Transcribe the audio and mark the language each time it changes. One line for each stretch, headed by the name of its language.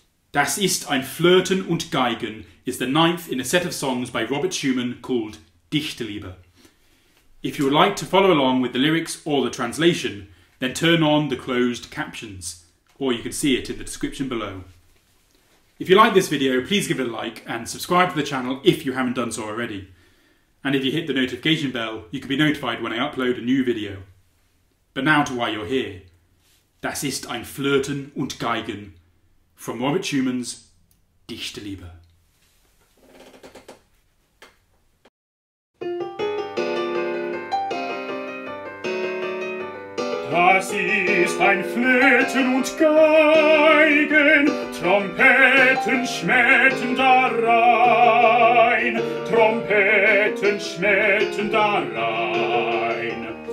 English: Das ist ein Flöten und Geigen is the ninth in a set of songs by Robert Schumann called Dichterliebe. If you would like to follow along with the lyrics or the translation, then turn on the closed captions, or you can see it in the description below. If you like this video, please give it a like and subscribe to the channel if you haven't done so already. And if you hit the notification bell, you can be notified when I upload a new video. But now to why you're here. Das ist ein Flöten und Geigen from Robert Schumann's Dichterliebe.
German: Das ist ein Flöten und Geigen, Trompeten schmettern darein, Trompeten schmettern darein.